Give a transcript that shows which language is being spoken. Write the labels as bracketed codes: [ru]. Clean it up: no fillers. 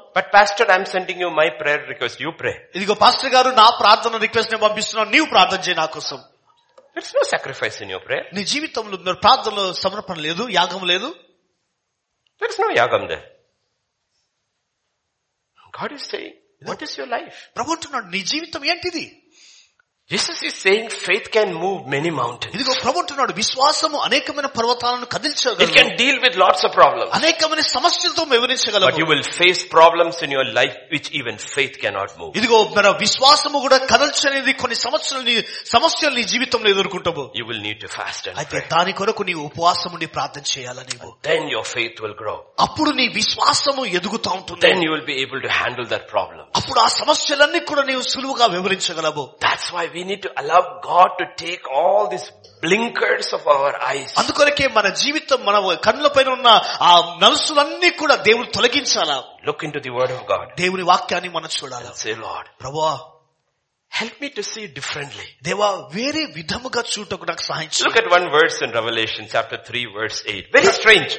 [en] But pastor, I'm sending you my prayer request. You pray. [te] ఇదిగో pastor గారు నా ప్రార్థన రిక్వెస్ట్ ని పంపిస్తున్నాను. నీవు ప్రార్థన చేయి నా కోసం. [en] There's no sacrifice in your prayer. [te] నీ జీవితంలో ప్రార్థనలో సమర్పణ లేదు, యాగం లేదు. [en] There's no yagam there. God is saying, what is your life? [te] ప్రభు అంటున్నాడు నీ జీవితం ఏంటిది? [en] Jesus is saying faith can move many mountains. [te] ఇదిగో ప్రభు అంటున్నాడు విశ్వాసము అనేకమైన పర్వతాలను కదిల్చగలదు. [en] It can deal with lots of problems. [te] అనేకమైన సమస్యలతో వ్యవహరించగలదు. [en] But you will face problems in your life which even faith cannot move. [te] ఇదిగో మన విశ్వాసము కూడా కదల్చనిది కొన్ని సమస్యలు నీ జీవితంలో ఎదుర్కొంటావు. [en] You will need to fast and [te] అయితే దాని కొరకు నీ ఉపవాసముండి ప్రార్థన చేయాలని. [en] Then your faith will grow. [te] అప్పుడు నీ విశ్వాసము ఎదుగుతా ఉంటుంది. [en] Then you will be able to handle that problem. [te] అప్పుడు ఆ సమస్యలన్నీ కూడా నీవు సులువుగా వ్యవహరించగలవు. [en] That's why we need to allow God to take all these blinkers of our eyes. [te] అందుకొరకే మన జీవితం మన కళ్ళపైన ఉన్న ఆ నలుసులన్నీ కూడా దేవుడు తొలగించాలా. [en] Look into the word of God. [te] దేవుని వాక్యాన్ని మనం చూడాలి. [en] Say Lord. [te] ప్రభువా. [en] Help me to see differently. [te] Deva vere vidhamuga chutaku naku sahayam chey. [en] Look at one verse in Revelation chapter 3 verse 8. Very strange.